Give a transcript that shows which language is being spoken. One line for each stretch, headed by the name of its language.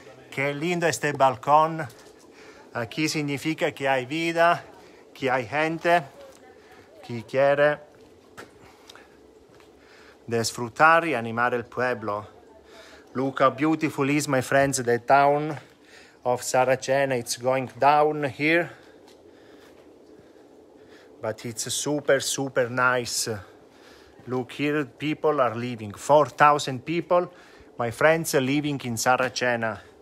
Spanish: Qué lindo este balcón. Aquí significa que hay vida.
Italian: chi ha gente, chi chiede di sfruttare e animare il pueblo.
English: Luca, beautiful is my friends, the town of Saracena, it's going down here, but it's super, super nice. Look here, people are living. 4,000 people, my friends, are living in Saracena.